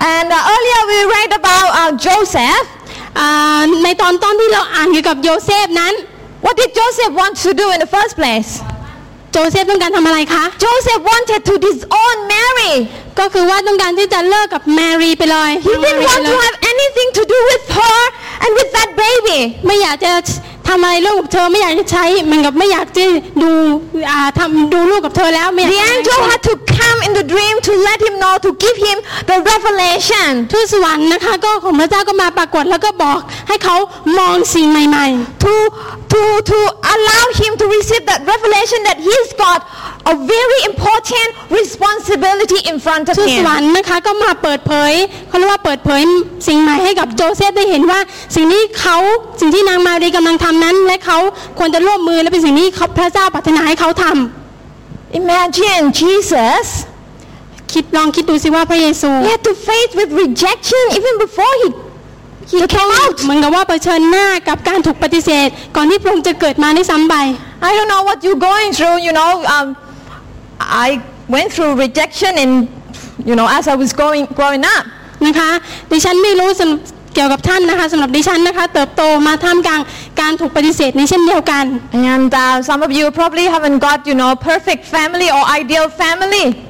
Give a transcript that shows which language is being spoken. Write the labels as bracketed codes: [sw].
[en] And earlier we read about Joseph [th] ในตอนต้นที่เราอ่านเกี่ยวกับโยเซฟนั้น [en] What did Joseph want to do in the first place [th] โจเซฟต้องการทำอะไรคะ [en] Joseph wanted to disown Mary [th] ก็คือว่าต้องการที่จะเลิกกับแมรี่ไปเลย [en] He didn't want to have anything to do with her and with that baby [th] ไม่อยากจะทำอะไรลูกกับเธอไม่อยากจะใช้มันกับไม่อยากจะดูทำดูลูกกับเธอแล้วไม่อยาก [en] The angel had to come in the dream to let him know to give him the revelation [th] ทูตสวรรค์นะคะก็ของพระเจ้าก็มาปรากฏแล้วก็บอกให้เขามองสิ่งใหม่ๆ [en] to allow him to receive that revelation that he's got a very important responsibility in front of him [th] ทูตสวรรค์นะคะก็มาเปิดเผยเขาเรียกว่าเปิดเผยสิ่งใหม่ให้กับโจเซฟได้เห็นว่าสิ่งนี้สิ่งที่นางมารีกำลังทำนั้นและเขาควรจะร่วมมือและเป็นสิ่งที่พระเจ้าปรารถนาให้เขาทำ [en] Imagine Jesus [th] คิดลองคิดดูสิว่าพระเยซู [en] He had to face with rejection even before he came out [th] เหมือนกับว่าเผชิญหน้ากับการถูกปฏิเสธก่อนที่พระองค์จะเกิดมาได้ซ้ำไป [en] I don't know what you're going through you know I went through rejection in you know as I was growing up [th] นะคะดิฉันไม่รู้เกี่ยวกับท่านนะคะสำหรับดิฉันนะคะเติบโตมาท่ามกลางการถูกปฏิเสธนี้เช่นเดียวกัน [en] And some of you probably haven't got you know perfect family or ideal family